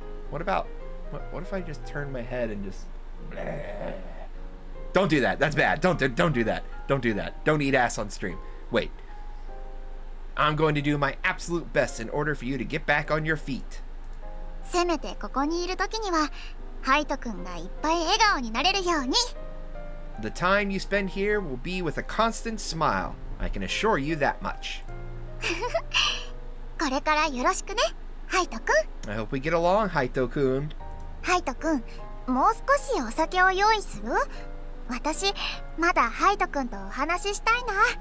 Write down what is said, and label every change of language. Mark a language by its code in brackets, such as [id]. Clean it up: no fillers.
[en] What if I just turn my head and just... Don't do that. That's bad. Don't do that. Don't eat ass on stream. Wait. I'm going to do my absolute best in order for you to get back on your feet. [ja] せめてここにいる時には、ハイト君がいっぱい笑顔になれるように。 [en] The time you spend here will be with a constant smile. I can assure you that much. [ja] これからよろしくね、ハイト君。 [en] I hope we get along, ハイト君。 [ja] ハイト君、もう少しお酒を用意する？私、まだハイト君とお話ししたいな。